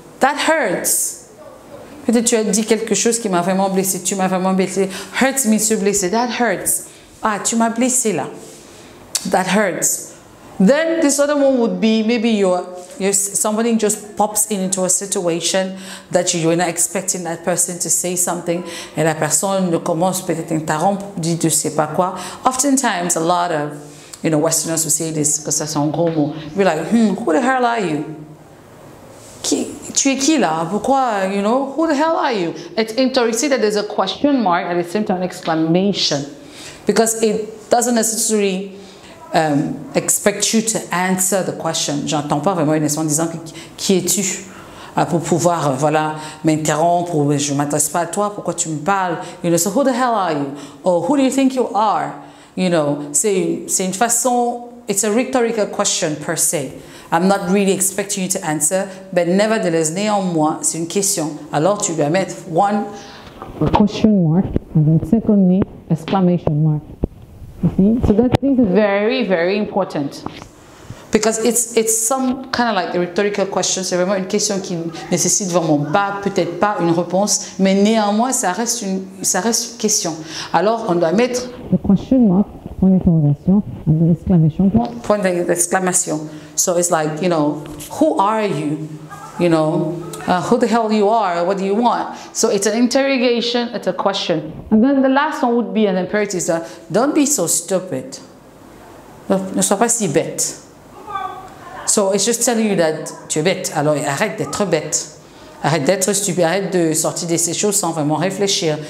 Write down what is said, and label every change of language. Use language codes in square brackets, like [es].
[en] That hurts. [fr] Peut-être tu as dit quelque chose qui m'a vraiment blessé. Tu m'as vraiment blessé. [en] Hurts means to [fr] blessé. That hurts. Ah, tu m'as blessé là. [en] That hurts. Then this other one would be maybe you're somebody just pops into a situation that you were not expecting that person to say something. [fr] Et la personne commence peut-être interrompre, dit je sais pas quoi. [en] Oftentimes, a lot of, you know, Westerners will say this because that's [fr] un gros mot. [en] Be like, who the hell are you? [fr] Tu es qui là? Pourquoi, [en] you know, who the hell are you? It's interesting that there's a question mark and it's same time an exclamation. Because it doesn't necessarily expect you to answer the question. [fr] J'entends pas vraiment une question en disant qui es-tu pour pouvoir voilà m'interrompre ou je m'adresse pas à toi, pourquoi tu me parles? [en] You know, so who the hell are you? Or who do you think you are? You know, [fr] c'est une façon, [en] it's a rhetorical question per se. I'm not really expecting you to answer, but nevertheless, [fr] néanmoins, c'est une question. Alors, tu dois mettre [en] one question mark, and then secondly, exclamation mark. Mm-hmm. So that is very, very important. Because it's some kind of like a rhetorical question. [fr] C'est vraiment une question qui nécessite vraiment pas, peut-être pas une réponse, mais néanmoins, ça reste une question. Alors, on doit mettre [en] the question mark, [fr] point d'interrogation, [en] and then exclamation mark. [fr] Point d'exclamation. [en] So it's like, you know, who are you? You know, who the hell you are? What do you want? So it's an interrogation, it's a question. And then the last one would be an imperative. So don't be so stupid. [fr] Ne sois pas si bête. [en] So it's just telling you that [fr] tu es bête. Alors arrête d'être bête. Arrête d'être stupide. Arrête de sortir de ces choses sans vraiment réfléchir.